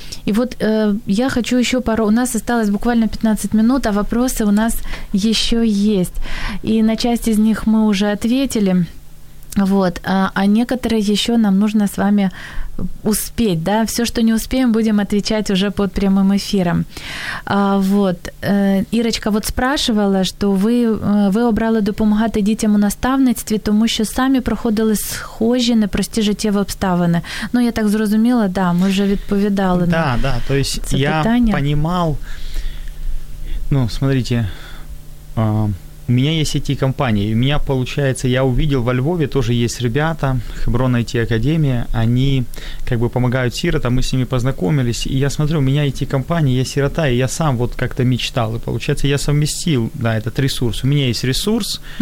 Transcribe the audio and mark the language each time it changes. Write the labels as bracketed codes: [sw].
[ru] И вот я хочу еще пару... У нас осталось буквально 15 минут, а вопросы у нас еще есть. И на часть из них мы уже ответили. Вот. А некоторые еще нам нужно с вами успеть, да, все, что не успеем, будем отвечать уже под прямым эфиром. Вот. [uk] Ірочка [ru] вот спрашивала, что [uk] ви обрали допомагати дітям у наставництві, тому що самі проходили схожі, непрості життєві обставини. Ну, я так зрозуміла, да, ми вже відповідали да, на да, це питання. [ru] Я понимал, ну, смотрите, у меня есть IT-компания, и у меня, получается, я увидел во Львове, тоже есть ребята, Хеброн IT-академия, они как бы помогают сиротам, мы с ними познакомились, и я смотрю, у меня IT-компания, я сирота, и я сам вот как-то мечтал, и получается, я совместил, да, этот ресурс, у меня есть ресурс,